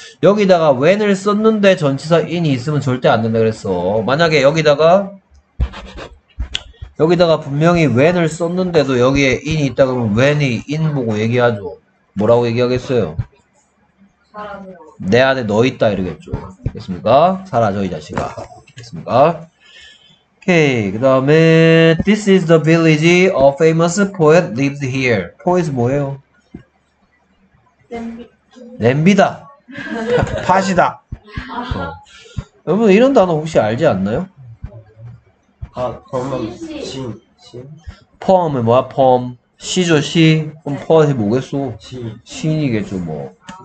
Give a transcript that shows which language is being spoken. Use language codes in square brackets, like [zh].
[ko] 여기다가 when을 썼는데 전치사 in이 있으면 절대 안 된다 그랬어. 만약에 여기다가 분명히 when을 썼는데도 여기에 in이 있다 그러면 when이 in 보고 얘기하죠. 뭐라고 얘기하겠어요? 내 안에 너 있다 이러겠죠. 됐습니까? 사라져 이 자식아. 됐습니까? 오케이 그 다음에 [en] This is the village a famous poet lives here. [ko] Poet 뭐예요? 냄비다. 팥이다. 여러분 이런 단어 혹시 알지 않나요? 아, 그러면 신 펌은 뭐야? 펌 시죠? 시 그럼 펌 해보겠소. 신 신이겠죠 뭐.